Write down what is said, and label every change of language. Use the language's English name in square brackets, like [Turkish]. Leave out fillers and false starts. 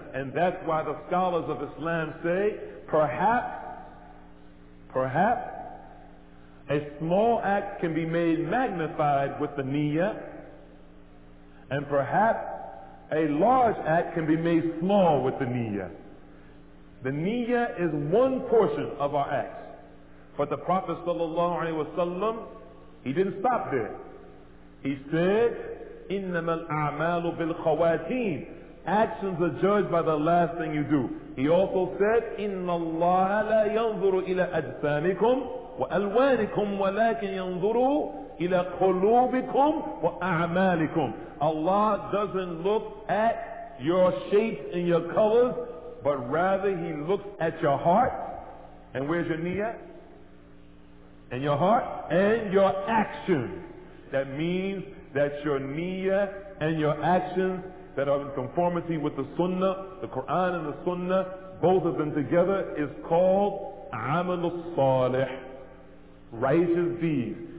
[English] And that's why the scholars of Islam say, perhaps, a small act can be made magnified with the niyyah, and perhaps a large act can be made small with the niyyah. The niyyah is one portion of our acts. But the Prophet sallallahu alaihi wasallam, he didn't stop there. He said, [Arabic] إِنَّمَا الْأَعْمَالُ بِالْخَوَاتِينَ. [English] Actions are judged by the last thing you do. He also said, [Arabic] إِنَّ اللَّهَ لَا يَنْظُرُ إِلَىٰ أَجْسَامِكُمْ وَأَلْوَانِكُمْ وَلَكِنْ يَنْظُرُ إِلَىٰ قُلُوبِكُمْ وَأَعْمَالِكُمْ. [English] Allah doesn't look at your shapes and your colors, but rather He looks at your heart. And where's your niyyah? and your heart and your actions. That means that your niyyah and your actions that are in conformity with the sunnah, the Quran and the sunnah, both of them together, is called amal salih, righteous deeds.